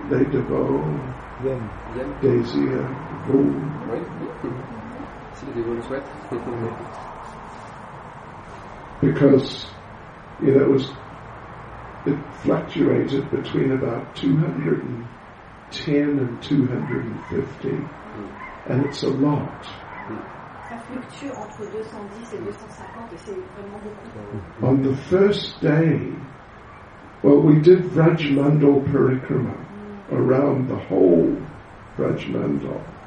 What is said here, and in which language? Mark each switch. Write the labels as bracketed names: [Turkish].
[English] Les Devaux, Désir, Vous. Because, you know, it fluctuated between about 210 and 250, and it's a lot. [French] Ça fluctue entre 210 et 250, et c'est vraiment beaucoup. [English] On the first day, we did Vrajmandal Parikrama around the whole Vrajmandal.